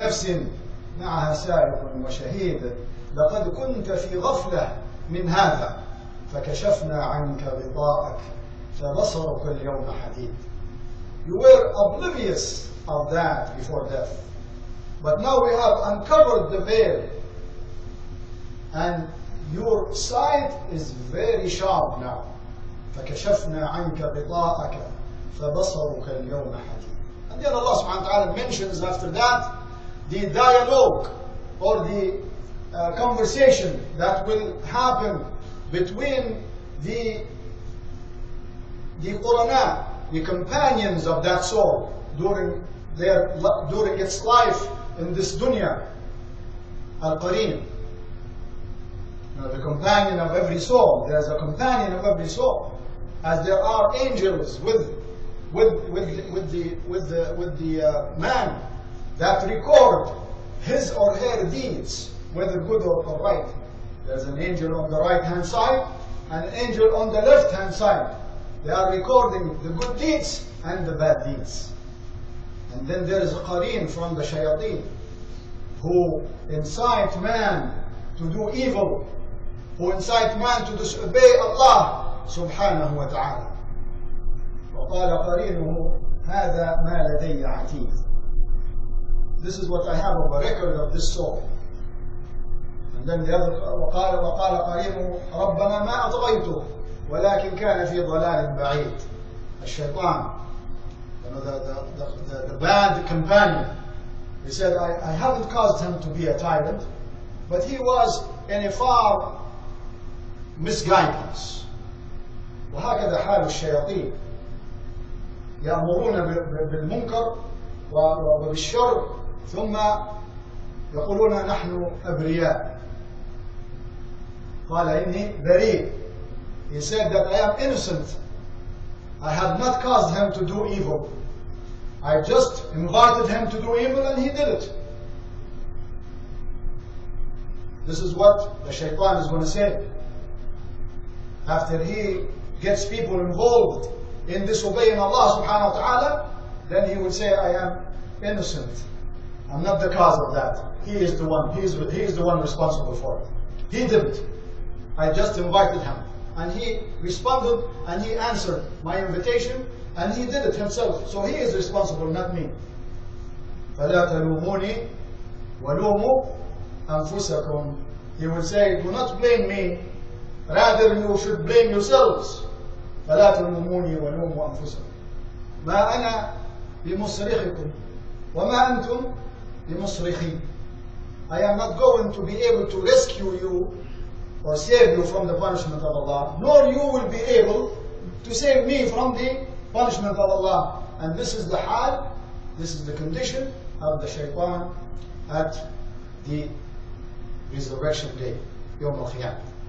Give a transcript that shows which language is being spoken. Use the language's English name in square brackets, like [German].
[Arabic] نفس معها سائق وشهيد، لقد كنت في غفلة من هذا، فكشفنا عنك غطاءك فبصرك اليوم حديد. [English] You were oblivious of that before death, but now we have uncovered the veil, and your sight is very sharp now. [Arabic] فكشفنا عنك غطاءك فبصرك اليوم حديد. [English] And then Allah subhanahu wa ta'ala mentions after that the dialogue or the conversation that will happen between the qurana, the companions of that soul during its life in this dunya, al-qareen. Now the companion of every soul, there is a companion of every soul, as there are angels with the man that record his or her deeds, whether good or right. There's an angel on the right hand side and an angel on the left hand side. They are recording the good deeds and the bad deeds. And then there is a qareen from the shayateen who incite man to do evil, who incite man to disobey Allah subhanahu wa ta'ala. [Arabic] وقال قرينه هذا ما لدي عتيد. [English] This is what I have of a record of this soul. And then the other, [Arabic] وقال قرينه ربنا ما أطغيته ولكن كان في ضلال بعيد. [English] الشيطان, you know, the bad companion, he said, I haven't caused him to be a tyrant, but he was in a far misguidance. [Arabic] وهكذا حال الشياطين. يأمرون بالمنكر وبالشر ثم يقولون نحن أبرياء. قال إني بريء. [English] He said that I am innocent. I have not caused him to do evil. I just invited him to do evil and he did it. This is what the shaytan is going to say after he gets people involved in disobeying Allah subhanahu wa ta'ala. Then he would say, I am innocent, I'm not the cause of that. He is the one, he is the one responsible for it. He did it. I just invited him and he responded and he answered my invitation and he did it himself. So he is responsible, not me. [Arabic] فَلَا تَلُومُونِي وَلُومُوا أَنفُسَكُمْ. [English] He would say, do not blame me, rather you should blame yourselves. [Arabic] فلا تلوموني ولوموا أنفسكم. ما أنا بمصرخكم وما أنتم بمصرخي. [English] I am not going to be able to rescue you or save you from the punishment of Allah, nor you will be able to save me from the punishment of Allah. And this is the hal, this is the condition of the shaytan at the resurrection day, [Arabic] يوم القيامة.